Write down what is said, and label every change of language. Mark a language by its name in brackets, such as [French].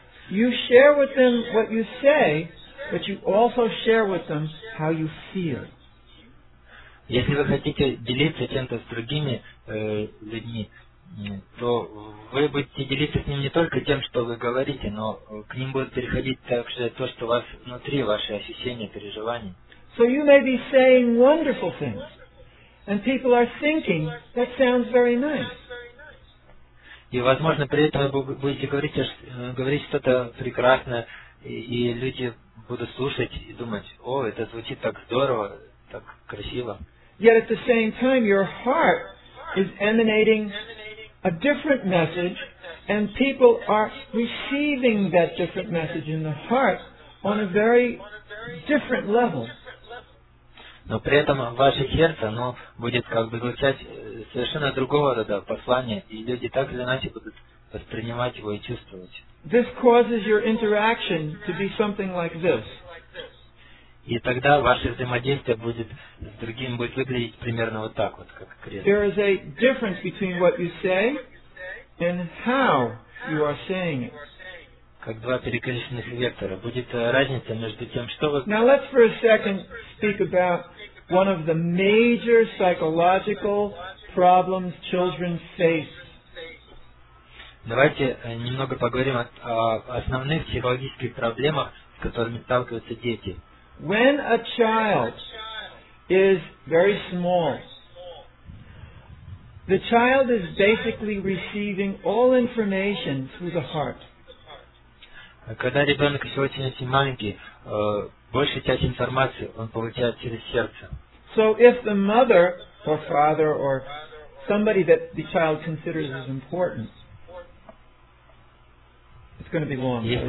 [English] You share with them what you say, but you also share with them how you feel. [Russian] Если вы хотите делиться чем-то с другими людьми, то вы будете делиться с ним не только тем, что вы говорите, но к ним будет переходить также то, что у вас внутри, ваши ощущения, переживания. [English] So you may be saying wonderful things, and people are thinking, that sounds very nice. [Russian] И, возможно, при этом вы будете говорить что-то прекрасное, и люди будут слушать и думать, о, это звучит так здорово, так красиво. [English] Yet at the same time, your heart is emanating a different message, and people are receiving that different message in the heart on a very different level. [Russian] Но при этом ваше сердце, оно будет как бы звучать совершенно другого рода послания, и люди так или иначе будут воспринимать его и чувствовать. [English] This causes your interaction to be something like this. [Russian] И тогда ваше взаимодействие будет с другим будет выглядеть примерно вот так вот, как крест. [English] There is a difference between what you say and how you are saying it. [Russian] Как два перекрещенных вектора. Будет разница между тем, что вы... [English] Now let's for a second speak about one of the major psychological problems children face. [Russian] Давайте немного поговорим о основных психологических проблемах, с которыми сталкиваются дети. [English] When a child is very small, the child is basically receiving all information through the heart. [Russian] Когда ребенок еще очень-очень маленький, большая часть информации он получает через сердце. [English] So if the mother or father or somebody that the child considers as important, it's going to be long.